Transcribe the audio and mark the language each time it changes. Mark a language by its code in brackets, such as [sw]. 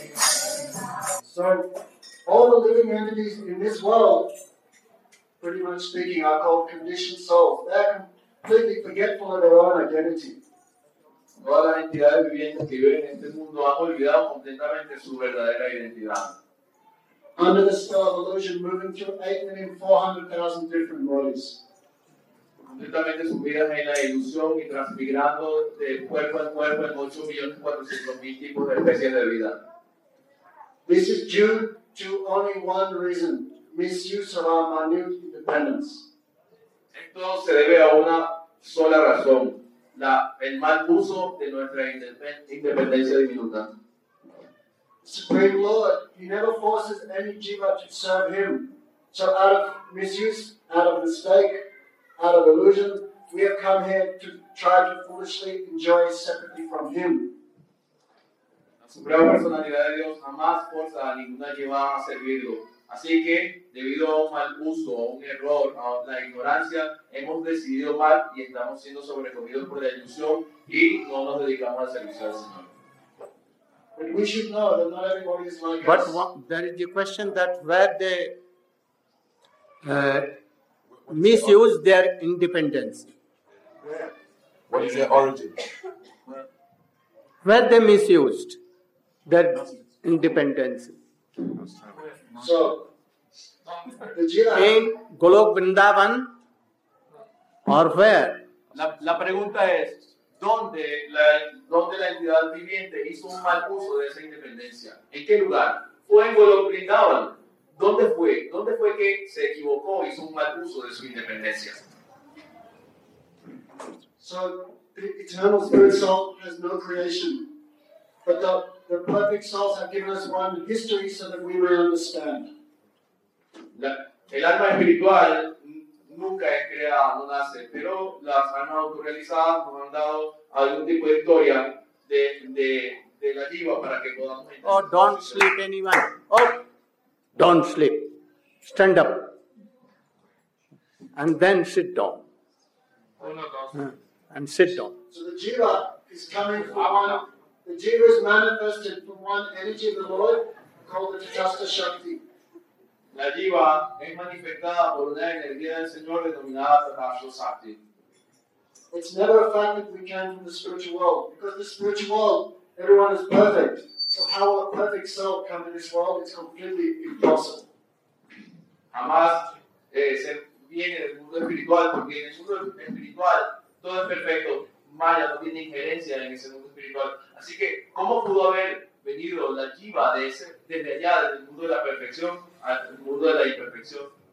[en] So, all the living entities in this world, pretty much speaking, are called conditioned souls. They're completely forgetful of their own identity. [es] Todas las entidades vivientes que viven en este mundo han olvidado completamente su verdadera identidad. [en] Under the spell of illusion, moving through 8,400,000 different bodies. [es] Completamente sumidas en la ilusión y transmigrando de cuerpo en cuerpo en 8,400,000 tipos de especies de vida. [en] This is due to only one reason, misuse of our minute independence. [es] Esto se debe a una sola razón, el mal uso de nuestra independencia diminuta. [en] Supreme Lord, He never forces any jiva to serve Him. So out of misuse, out of mistake, out of illusion, we have come here to try to foolishly enjoy separately from Him. [es] La Suprema Personalidad de Dios jamás forza a ninguna jiva a servirlo. Así que, debido a un mal uso, a un error, a la ignorancia, hemos decidido mal y estamos siendo sobrecogidos por la ilusión y no nos dedicamos a servir al Señor. [en] But we should know that not everybody is like but us. But there is the question that where they misuse their independence. Yeah. What is their origin? Where they misused their independence. So, the jiva in Golok Vrindavan or where? [es] La pregunta es, ¿Dónde la entidad viviente hizo un mal uso de esa independencia? ¿En qué lugar? ¿Fue en Golok Vrindavan? ¿Dónde fue? ¿Dónde fue que se equivocó, hizo un mal uso de su independencia? [en] So, the eternal spirit soul has no creation. But the perfect souls have given us one history so that we may understand. [es] El alma espiritual nunca es creada, no nace, pero las almas autorrealizadas nos han dado algún tipo de historia de la jiva para que podamos entender. [en] Oh, don't sleep anyone. Oh, don't sleep. Stand up. And then sit down. And sit down. So the jiva is coming from one. The jiva is manifested from one energy of the Lord called the Tejasta Shakti. [es] La jiva es manifestada por una energía del Señor denominada Tejasta Shakti. [en] It's never a fact that we came from the spiritual world. Because the spiritual world, everyone is perfect. So how will a perfect soul come to this world? It's completely impossible. [es] Jamás se viene del mundo espiritual, porque en el mundo espiritual todo es perfecto. Maya no tiene injerencia en ese mundo espiritual. Así que, ¿cómo pudo haber venido la jiva desde allá, desde el mundo de la perfección, al mundo de la imperfección?